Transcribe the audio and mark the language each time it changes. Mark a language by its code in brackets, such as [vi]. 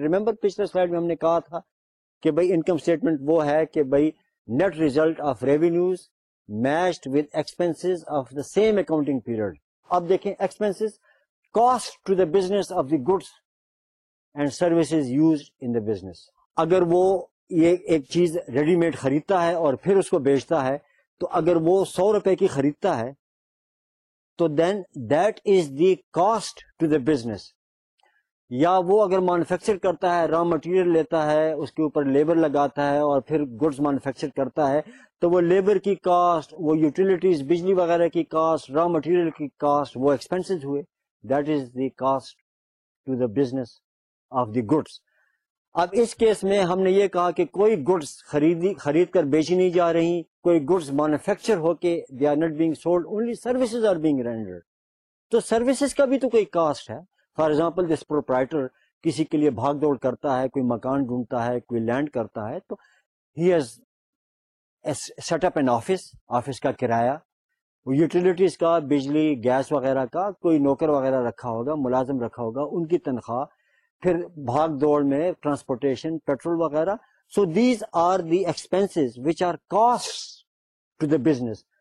[ur] Remember پچھلے slide میں ہم نے کہا تھا کہ بھائی انکم اسٹیٹمنٹ وہ ہے کہ بھائی [en] Net result of revenues matched with expenses of the same accounting period. [ur] اب دیکھیں [en] Expenses cost to the business of the goods and services use in the business. [ur] اگر وہ یہ ایک چیز ریڈی میڈ خریدتا ہے اور پھر اس کو بیچتا ہے, تو اگر وہ 100 روپے کی خریدتا ہے تو [en] Then that is the cost to the business. [ur] یا وہ اگر مینوفیکچر کرتا ہے, را مٹیریل لیتا ہے, اس کے اوپر لیبر لگاتا ہے اور پھر گڈس مینوفیکچر کرتا ہے, تو وہ لیبر کی کاسٹ, وہ یوٹیلیٹیز بجلی وغیرہ کی کاسٹ, را مٹیریل کی کاسٹ, وہ ایکسپینسز ہوئے. [en] That is the cost to the business of the goods. [ur] اب اس کیس میں ہم نے یہ کہا کہ کوئی گڈس خرید کر بیچی نہیں جا رہی, کوئی گڈس مینوفیکچر ہو کے [en] They are not being sold, only services are being rendered. [ur] تو سروسز کا بھی تو کوئی کاسٹ ہے. [en] for example this proprietor [ur] کسی کے لیے بھاگ دوڑ کرتا ہے, کوئی مکان ڈھونڈتا ہے, کوئی لینڈ کرتا ہے, تو [en] he has set up an office, [ur] office کا کرایہ, یوٹیلیٹیز کا, بجلی گیس وغیرہ کا, کوئی نوکر وغیرہ رکھا ہوگا, ملازم رکھا ہوگا, ان کی تنخواہ, پھر بھاگ دوڑ میں ٹرانسپورٹیشن, پیٹرول وغیرہ. [en] So these are the expenses which are cost to the business.